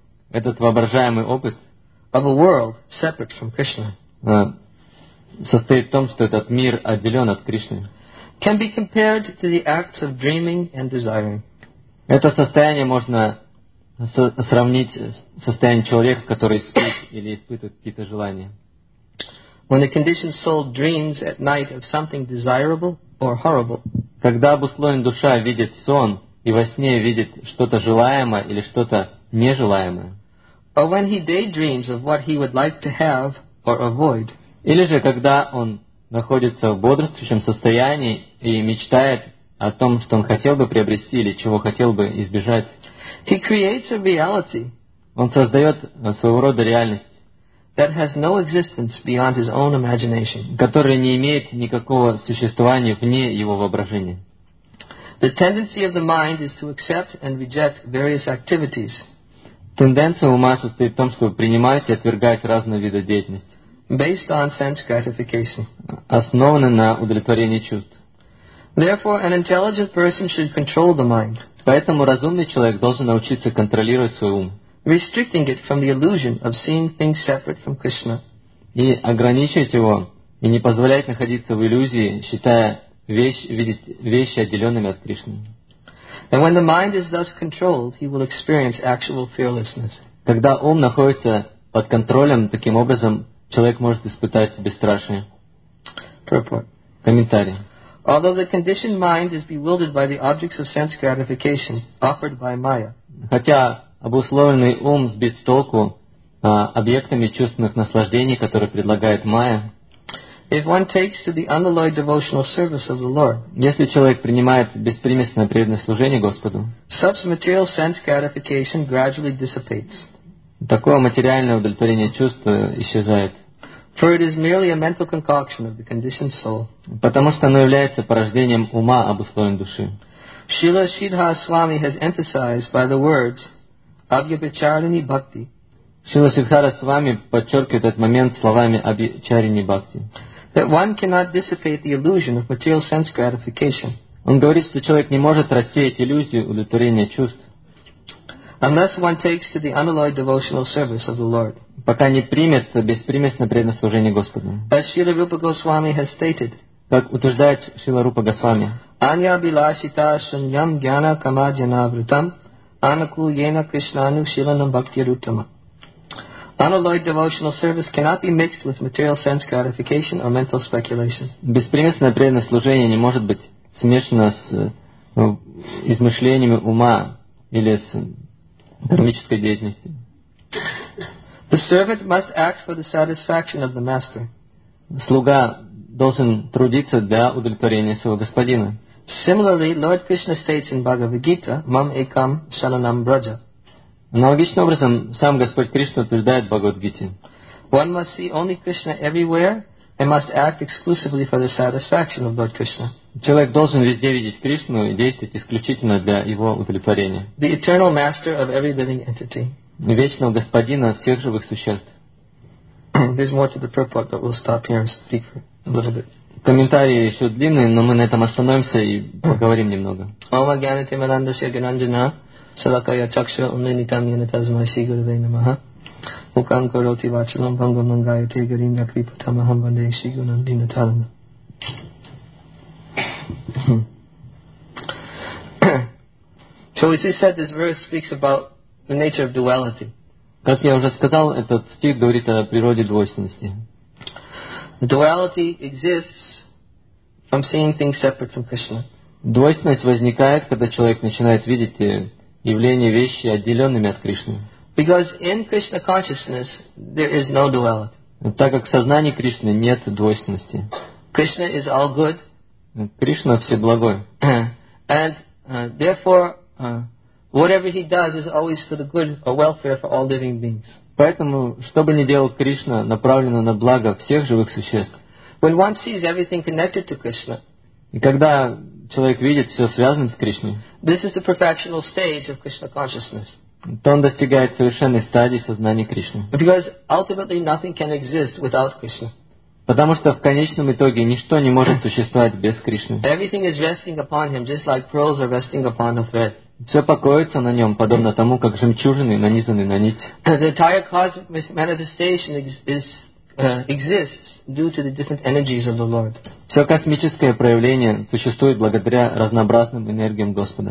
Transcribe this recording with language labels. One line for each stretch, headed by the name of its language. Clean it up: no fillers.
Russian: этот воображаемый опыт,
English: of a world separate from Krishna,
Russian: состоит в том, что этот мир отделен от Кришны,
English: can be compared to the acts of dreaming and desiring.
Russian: Это состояние можно сравнить с состоянием человека, который спит или испытывает какие-то желания.
English: When the conditioned soul dreams at night of something desirable or horrible,
Russian: когда обусловленная душа видит сон и во сне видит что-то желаемое или что-то нежелаемое,
English: or when he daydreams of what he would like to have or avoid,
Russian: или же когда он находится в бодрствующем состоянии и мечтает о том, что он хотел бы приобрести или чего хотел бы избежать,
English: he creates a reality,
Russian: он создает своего рода реальность,
English: that has no existence beyond his own imagination,
Russian: которая не имеет никакого существования вне его воображения.
English: The tendency of the mind is to accept and reject various activities.
Russian: Тенденция ума состоит в том, чтобы принимать и отвергать разные виды деятельности.
English: based on sense gratification.
Russian: Основаны на удовлетворении чувств.
English: Therefore, an intelligent person should control the mind.
Russian: Поэтому разумный человек должен научиться контролировать свой ум.
English: Restricting it from the illusion of seeing things separate from Krishna.
Russian: И ограничивать его, и не позволять находиться в иллюзии, считая вещи отделенными от Кришны.
English: And when the mind is thus controlled, he will experience actual fearlessness.
Russian: Когда ум находится под контролем, таким образом человек может испытать бесстрашие.
English: Purport.
Russian: Комментарий.
English: Although the conditioned mind is bewildered by the objects of sense gratification offered by Maya.
Russian: Хотя обусловленный ум сбит с толку объектами чувственных наслаждений, которые предлагает Майя.
English: If one takes to the unalloyed devotional service of the Lord.
Russian: Если человек принимает беспримесное преданное служение Господу.
English: Such material sense gratification gradually dissipates.
Russian: Такое материальное удовлетворение чувств исчезает.
English: For it is merely a mental concoction of the conditioned soul.
Russian: Потому что оно является порождением ума обусловленной души.
English: Srila Sridhara Swami has emphasized by the words Abhyabhicharini Bhakti.
Russian: Srila Sridhara Swami подчеркивает этот момент словами Abhyabhicharini Bhakti.
English: That one cannot dissipate the illusion of material sense gratification.
Russian: Он говорит, что человек не может рассеять иллюзию удовлетворения чувств.
English: Unless one takes to the unalloyed devotional service of the Lord.
Russian: Пока не примет беспримесное преданное служение Господу.
English: As Srila Rupa Goswami has stated.
Russian: Как утверждает Шрила Рупа Госвами.
Sanskrit: Anya bilashita sunyam jnana kama janavritam anaku yena krishnanu shilanam bhakti rutama.
English: Unalloyed devotional service cannot be mixed with material sense gratification or mental speculation.
Russian: Беспримесное преданное служение не может быть смешано с измышлениями ума или с кармической деятельностью.
English: The servant must act for the satisfaction of the master.
Russian: Слуга должен трудиться для удовлетворения своего господина.
English: Similarly, Lord Krishna states in Bhagavad Gita,
Sanskrit: "Mam ekam shananam braja."
Russian: Аналогичным образом сам Господь Кришна утверждает в Бхагавад Гите.
English: One must see only Krishna everywhere and must act exclusively for the satisfaction of Lord Krishna.
Russian: Человек должен везде видеть Кришну и действовать исключительно для его удовлетворения.
English: The eternal master of every living entity.
Russian: Вечного господина всех живых существ.
English: There's more to the purport, but we'll stop here and speak for a little bit.
Russian: Комментарии еще длинные, но мы на этом остановимся и поговорим немного.
Sanskrit: Ома гьянати мирандасья гьянанджана салакая чакша умне нитам янатазмай сигурве намаха мукам кароти вачалам бхангам мангайате гаринья крипатамахам ванде сигунам динатаранда.
English: So we just said this verse speaks about the nature of duality.
Russian: Как я уже сказал, этот стих говорит о природе двойственности.
English: Duality exists from seeing things separate from Krishna.
Russian: Двойственность возникает, когда человек начинает видеть явления, вещи отделенными от Кришны.
English: Because in Krishna consciousness there is no duality.
Russian: Так как в сознании Кришны нет двойственности.
English: Krishna is all good.
Russian: Кришна все благой.
English: And therefore whatever he does is always for the good or welfare for all living beings.
Russian: Поэтому, что бы ни делал Кришна, направлено на благо всех живых существ.
English: When one sees everything connected to Krishna,
Russian: и когда человек видит все связанное с Кришной,
English: this is the perfectional stage of Krishna consciousness.
Russian: То он достигает совершенной стадии сознания Кришны.
English: Because ultimately nothing can exist without Krishna.
Russian: Потому что в конечном итоге ничто не может существовать без Кришны.
English: Everything is resting upon him, just like pearls are resting upon a thread.
Russian: Все покоится на нем, подобно тому, как жемчужины нанизаны на нить.
English: The entire cosmic manifestation exists due to the different energies of the Lord.
Russian: Все космическое проявление существует благодаря разнообразным энергиям Господа.